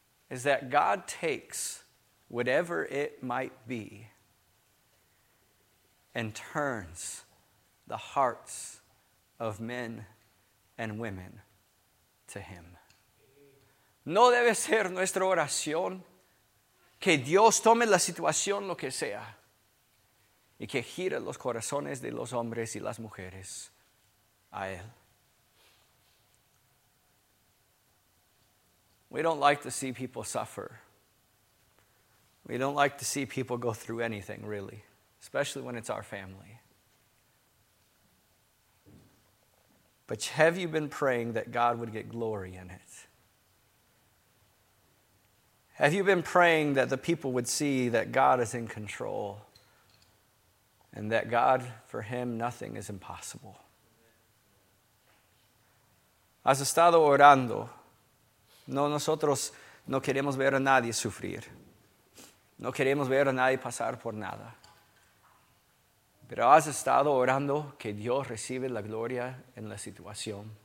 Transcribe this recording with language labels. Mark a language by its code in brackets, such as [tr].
[en] Is that God takes whatever it might be, and turns the hearts of men and women to him. [es] No debe ser nuestra oración que Dios tome la situación, lo que sea, y que gire los corazones de los hombres y las mujeres a él. [en] We don't like to see people suffer. We don't like to see people go through anything, really, especially when it's our family. But have you been praying that God would get glory in it? Have you been praying that the people would see that God is in control and that God, for him, nothing is impossible? [es] Has estado orando. No, nosotros no queremos ver a nadie sufrir. No queremos ver a nadie pasar por nada. Pero has estado orando que Dios reciba la gloria en la situación.